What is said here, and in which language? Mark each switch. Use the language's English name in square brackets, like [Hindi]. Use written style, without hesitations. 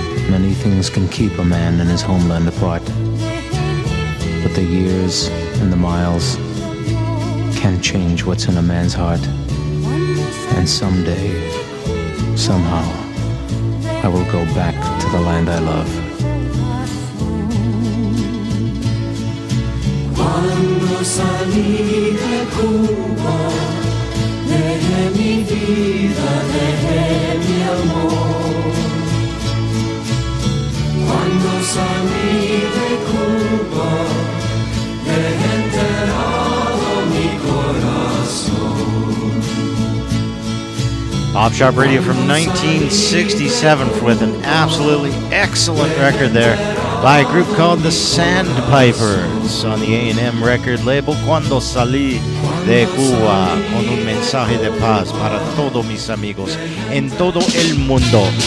[English] Many things can keep a man and his homeland apart, but the years and the miles can change what's in a man's heart. And someday, somehow, I will go back to the land I love. [Spanish] Cuando salí de Cuba, dejé mi vida, dejé mi amor. Cuando salí de Cuba, dejé [English] Off Sharp Radio from 1967 with an absolutely excellent record there by a group called the Sandpipers on the A&M record label. [Spanish] Cuando salí de Cuba con un mensaje de paz para todos mis amigos en todo el mundo.